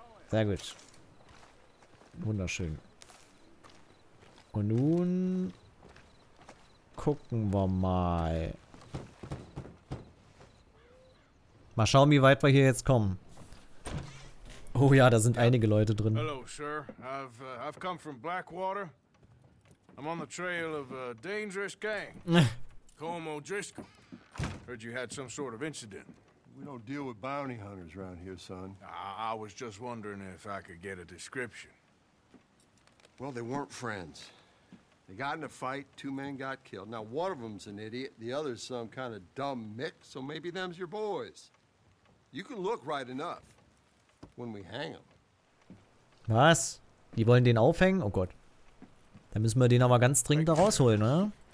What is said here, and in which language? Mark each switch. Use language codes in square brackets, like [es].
[de] Sehr gut. Wunderschön. Und nun gucken wir mal. Mal schauen, wie weit wir hier jetzt kommen. Oh ja, da sind einige Leute drin. Hallo, Sir. [en] I've come from Blackwater. I'm on the trail of a dangerous gang. Como O'Driscoll. Heard you had some sort of incident. We don't deal with bounty hunters around here, son. I was just wondering if I could get a description. Well, they weren't friends. They got in a fight, two men got killed. Now, one of them's an idiot, the other's some kind of dumb mick, so maybe them's your boys. You can look right enough. When we hang him. [de] Was? Die wollen den aufhängen? Oh Gott. Dann müssen wir den aber ganz dringend da rausholen, ne?